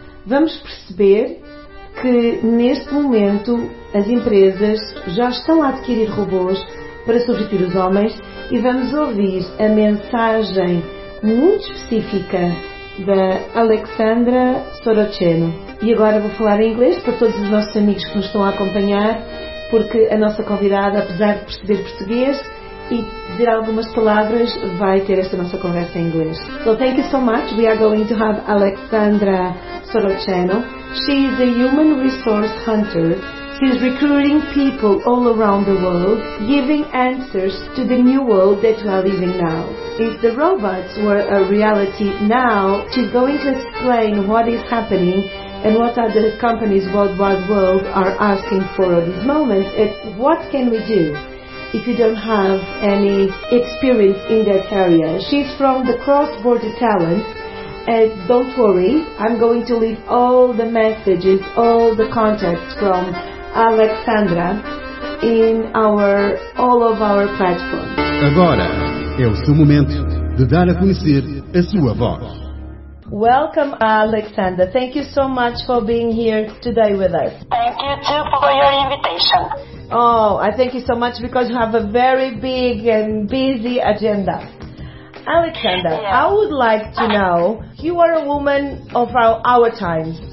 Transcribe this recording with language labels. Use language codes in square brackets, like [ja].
[pt] Vamos perceber que neste momento as empresas já estão a adquirir robôs para substituir os homens e vamos ouvir a mensagem muito específica da Alexandra Sorocheno. E agora vou falar em inglês para todos os nossos amigos que nos estão a acompanhar, porque a nossa convidada, apesar de perceber português e dizer algumas palavras, vai ter esta nossa conversa em inglês. [en] So thank you so much. We are going to have Alexandra Sorocheno. She is a human resource hunter. She is recruiting people all around the world, giving answers to the new world that we are living now. If the robots were a reality now, she's going to explain what is happening and what other companies worldwide world are asking for at this moment. It's what can we do if you don't have any experience in that area. She's from the cross-border talent. And don't worry, I'm going to leave all the messages, all the contacts from Alexandra in all of our platforms. [pt] Agora é o seu momento de dar a conhecer a sua voz. [en] Welcome, Alexandra. Thank you so much for being here today with us. Thank you too for your invitation. Oh, I thank you so much because you have a very big and busy agenda. Alexandra, yeah. I would like to know, you are a woman of our times.